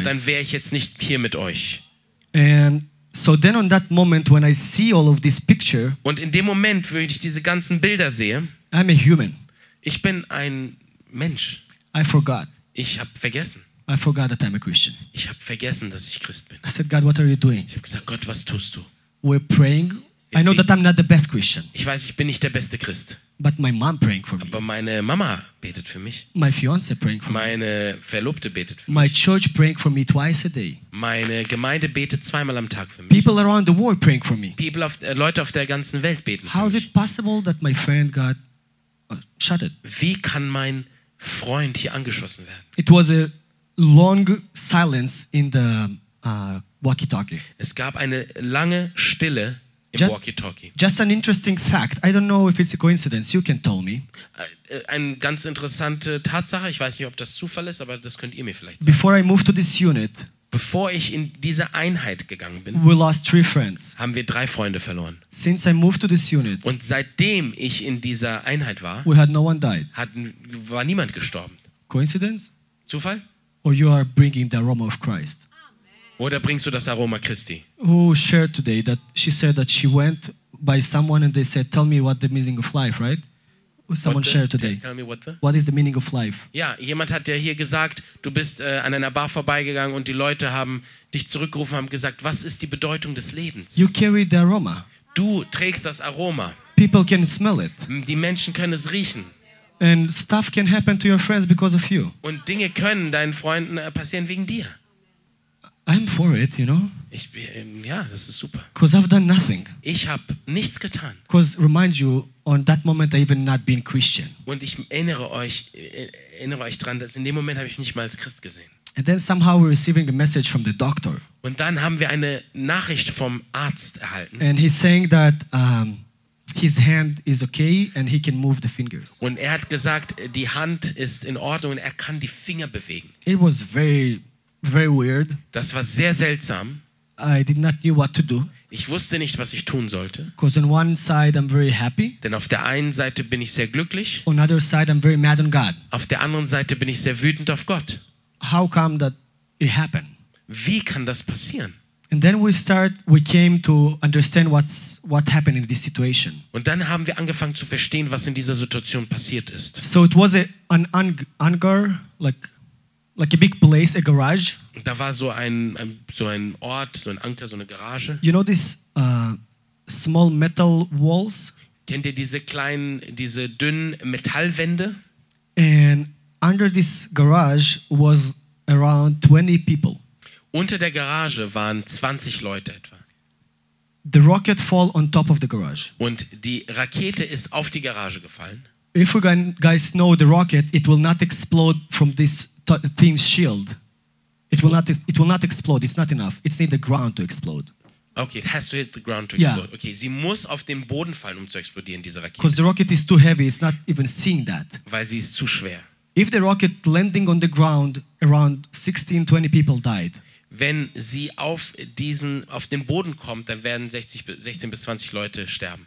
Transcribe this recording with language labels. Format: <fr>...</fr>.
<de>Und dann wäre ich jetzt nicht hier mit euch.</de> <en>And so then on that moment when I see all of this picture,</en> <de>und in dem Moment, wo ich diese ganzen Bilder sehe,</de> <en>I'm a human.</en> <de>Ich bin ein Mensch.</de> <en>I forgot.</en> <de>Ich habe vergessen.</de> <en>I forgot that I'm a Christian.</en> <de>Ich habe vergessen, dass ich Christ bin.</de> <en>I said, "God, what are you doing?"</en> <de>Ich habe gesagt, Gott, was tust du?</de> <en>We're praying. I know that I'm not the best Christian.</en> <de>Ich weiß, ich bin nicht der beste Christ.</de> <en>But my mom praying for me.</en> <de>Aber meine Mama betet für mich.</de> <en>My fiance praying for</en> <de>meine Verlobte betet für</de> <en>my</en> <de>mich.</de> <en>My church praying for me twice a day.</en> <de>Meine Gemeinde betet zweimal am Tag für mich.</de> <en>People around the world praying for me.</en> <de>People auf, Leute auf der ganzen Welt beten</de> <en>How</en> <de>für</de> <en>is</en> <de>mich.</de> <en>It possible that my friend got shot at?</en> <de>Wie kann mein Freund hier angeschossen werden?</de> <en>It was a long silence in the walkie-talkie.</en> <de>Es gab eine lange Stille.</de> <en>Just an interesting fact. I don't know if it's a coincidence. You can tell me.</en> <de>Eine ganz interessante Tatsache. Ich weiß nicht, ob das Zufall ist, aber das könnt ihr mir vielleicht sagen.</de> <en>Before I moved to this unit,</en> <de>bevor ich in diese Einheit gegangen bin,</de> <en>we lost three friends.</en> <de>Haben wir drei Freunde verloren.</de> <en>Since I moved to this unit,</en> <de>und seitdem ich in dieser Einheit war,</de> <en>we had no one died.</en> <de>War niemand gestorben.</de> <en>Coincidence?</en> <de>Zufall?</de> <en>Or you are bringing the aroma of Christ?</en> <de>Oder bringst du das Aroma Christi?</de> <en>Who shared today that she said that she went by someone and they said, tell me what the meaning of life, right? Someone shared today. Tell me what the? What is the meaning of life?</en> <de>Ja, jemand hat ja hier gesagt, du bist an einer Bar vorbeigegangen und die Leute haben dich zurückgerufen, haben gesagt, was ist die Bedeutung des Lebens?</de> <en>You carry the aroma.</en> <de>Du trägst das Aroma.</de> <en>People can smell it.</en> <de>Die Menschen können es riechen.</de> <en>And stuff can happen to your friends because of you.</en> <de>Und Dinge können deinen Freunden passieren wegen dir.</de> <en>I'm for it, you know.</en> <de>Ich bin, ja, das ist super.</de> <en>Cause I've done nothing.</en> <de>Ich habe nichts getan.</de> <en>Cause remind you on that moment I even not been Christian.</en> <de>Und ich erinnere euch dran, dass in dem Moment habe ich mich mal als Christ gesehen.</de> <en>And then somehow we're receiving a message from the doctor.</en> <de>Und dann haben wir eine Nachricht vom Arzt erhalten.</de> <en>And he's saying that his hand is okay and he can move the fingers.</en> <de>Und er hat gesagt, die Hand ist in Ordnung und er kann die Finger bewegen.</de> <en>It was very weird.</en> <de>Das war sehr seltsam.</de> <en>I did not know what to do.</en> <de>Ich wusste nicht, was ich tun sollte.</de> <en>Because on one side I'm very happy.</en> <de>Denn auf der einen Seite bin ich sehr glücklich.</de> <en>On other side I'm very mad on God.</en> <de>Auf der anderen Seite bin ich sehr wütend auf Gott.</de> <en>How come that it happened?</en> <de>Wie kann das passieren?</de> <en>And then we came to understand what happened in this situation.</en> <de>Und dann haben wir angefangen zu verstehen, was in dieser Situation passiert ist.</de> <en>So it was an anger, like a big place, a garage.</en> <de>Da war so ein Ort, so ein Anker, so eine Garage.</de> <en>You know these small metal walls?</en> <de>Kennt ihr diese dünnen Metallwände?</de> <en>And under this garage was around 20 people.</en> <de>Unter der Garage waren 20 Leute etwa.</de> <en>The rocket fall on top of the garage.</en> <de>Und die Rakete ist auf die Garage gefallen.</de> <en>If you guys know the rocket, it will not explode from this thin shield. It will not explode. It's not enough. It's need the ground to explode. Okay, it has to hit the ground to explode.</en> <de>Okay, sie muss auf den Boden fallen, um zu explodieren, diese Rakete.</de> <en>Because the rocket is too heavy, it's not even seeing that.</en> <de>Weil sie ist zu schwer.</de> <en>If the rocket landing on the ground, around 16-20 people died.</en> <de>Wenn sie auf den Boden kommt, dann werden 16 bis 20 Leute sterben.</de>